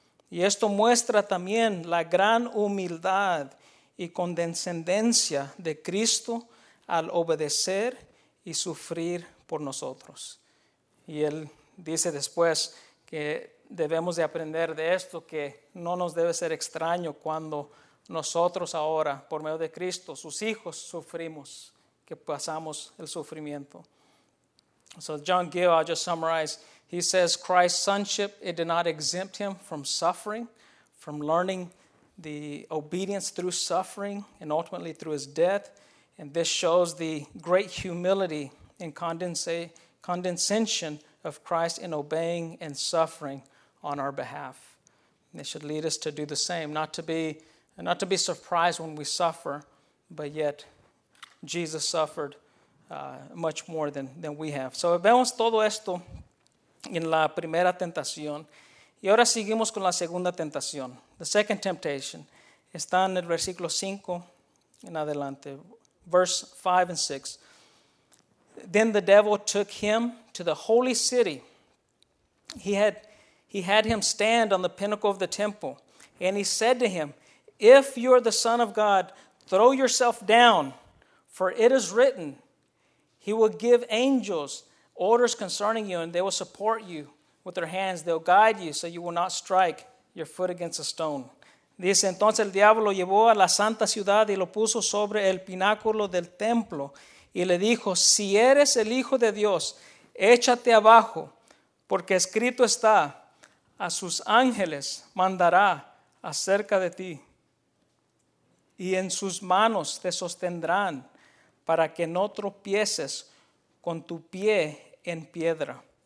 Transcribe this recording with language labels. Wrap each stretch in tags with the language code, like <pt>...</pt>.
<es>Y esto muestra también la gran humildad y condescendencia de Cristo al obedecer y sufrir por nosotros. Y Él dice después que debemos de aprender de esto, que no nos debe ser extraño cuando nosotros ahora, por medio de Cristo, sus hijos, sufrimos, que pasamos el sufrimiento.</es> <en>So John Gill, I'll just summarize. He says, Christ's sonship, it did not exempt Him from suffering, from learning the obedience through suffering, and ultimately through His death. And this shows the great humility and condescension of Christ in obeying and suffering on our behalf. And it should lead us to do the same, not to be surprised when we suffer, but yet Jesus suffered much more than we have.</en> <es>So vemos todo esto en la primera tentación. Y ahora seguimos con la segunda tentación. The second temptation está en el versículo 5 en adelante.</es> <en>Verse 5 and 6. Then the devil took him to the holy city. He had him stand on the pinnacle of the temple. And he said to him, if you are the Son of God, throw yourself down, for it is written, He will give angels orders concerning you, and they will support you with their hands. They will guide you so you will not strike your foot against a stone.</en> <es>Dice, entonces el diablo lo llevó a la santa ciudad y lo puso sobre el pináculo del templo. Y le dijo, si eres el Hijo de Dios, échate abajo, porque escrito está, a sus ángeles mandará acerca de ti, y en sus manos te sostendrán, para que no tropieces con tu pie en piedra.</es>